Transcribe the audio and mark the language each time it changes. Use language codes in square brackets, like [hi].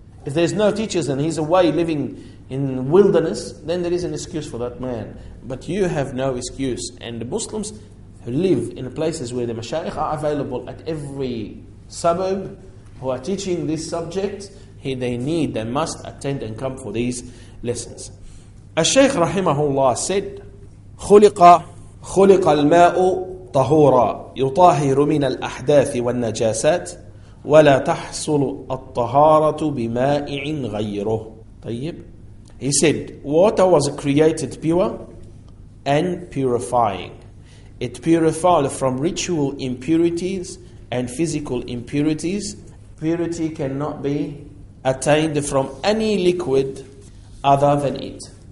[en] If there's no teachers and he's away living in wilderness, then there is an excuse for that man. But you have no excuse. And the Muslims who live in places where the mashayikh are available at every suburb who are teaching this subject, they must attend and come for these lessons. Al-Shaykh rahimahullah said, [ar] خُلِقَ الْمَاءُ طَهُورًا يُطَاهِرُ مِنَ الْأَحْدَاثِ وَالنَّجَاسَاتِ وَلَا تَحْصُلُ الطَّهَارَةُ بِمَائِعٍ غَيْرُهُ. طيب. [en] He said, water was created pure and purifying. It purified from ritual impurities and physical impurities. Purity cannot be attained from any liquid other than it.